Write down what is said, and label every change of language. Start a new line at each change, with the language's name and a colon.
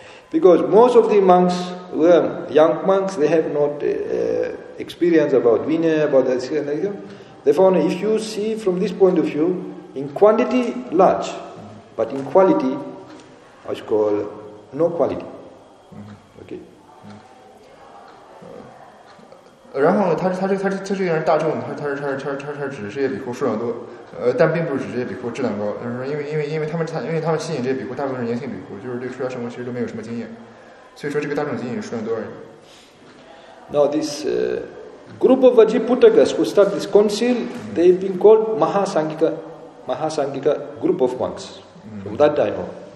English: Because most of the monks were young monks, they have not experience about Vinaya, about that kind of thing. Therefore, if you see from this point of view, in quantity, large, but in quality, I should call no quality. Okay.
Chinese: 然后他这个人大众，他指这些比库数量多，但并不是指这些比库质量高。他说，因为他们吸引这些比库，大部分是年轻比库，就是对出家生活其实都没有什么经验，所以说这个大众仅仅是数量多而已。
English: Now this. Group of Vajiputtakas who start this council, they've been called Mahasanghika group of monks from that time on.